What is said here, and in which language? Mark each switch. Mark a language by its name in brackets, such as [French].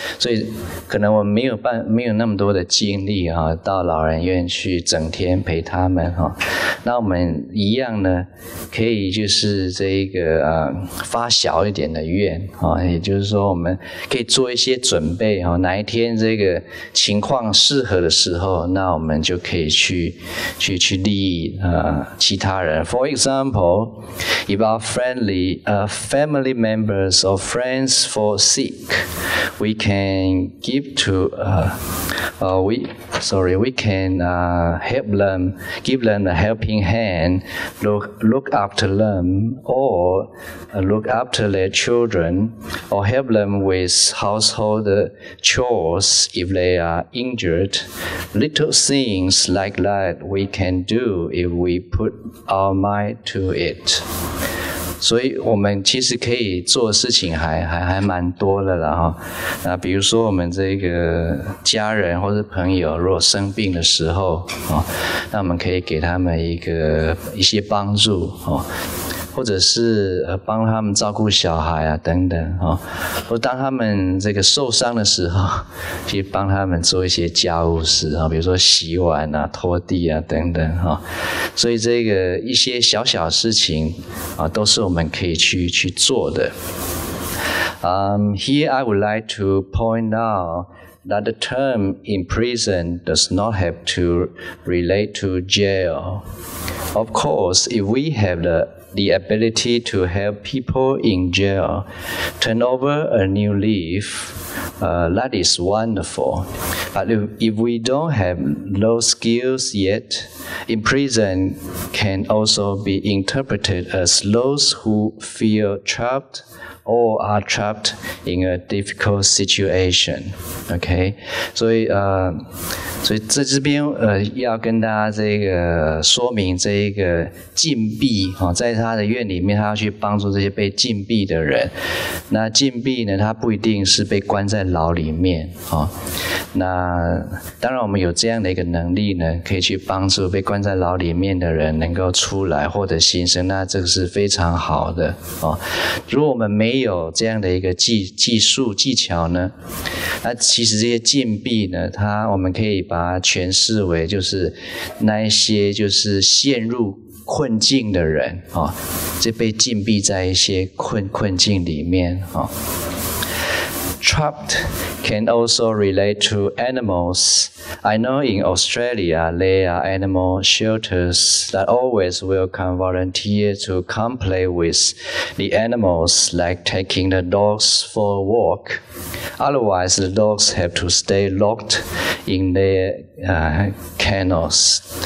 [Chinese] 所以可能我们没有那么多的精力到老人院去整天陪他们那我们一样呢，可以就是这一个发小一点的愿也就是说我们可以做一些准备哪一天这个情况适合的时候，那我们就可以去利益其他人。 [English] For example, if our friendly family members or friends fall sick, we can give to help them, give them a helping hand, look after them, or look after their children, or help them with household chores if they are injured. Little things like that we can do if we put our mind to it. [Chinese] 所以我们其实可以做的事情还蛮多的啦比如说我们这个家人或是朋友如果生病的时候那我们可以给他们一些帮助或者是帮他们照顾小孩啊等等或当他们这个受伤的时候去帮他们做一些家务事比如说洗碗啊拖地啊等等所以这个一些小小事情都是我们可以去做的。 [English] Here I would like to point out that the term in prison does not have to relate to jail. Of course, if we have the ability to help people in jail turn over a new leaf, that is wonderful. But if we don't have those skills yet, in prison can also be interpreted as those who feel trapped or are trapped in a difficult situation. [Chinese] Okay, 所以在这边要跟大家这个说明这一个禁闭在他的院里面他要去帮助这些被禁闭的人。那禁闭呢他不一定是被关在牢里面那当然我们有这样的一个能力呢可以去帮助被关在牢里面的人能够出来获得新生那这个是非常好的如果我们没有这样的一个技术技巧呢那其实这些禁闭呢他我们可以把它诠释为就是那一些就是陷入困境的人就被禁闭在一些困境里面 [English] Trapped can also relate to animals. I know in Australia, there are animal shelters that always welcome volunteers to come play with the animals, like taking the dogs for a walk. Otherwise, the dogs have to stay locked in their kennels.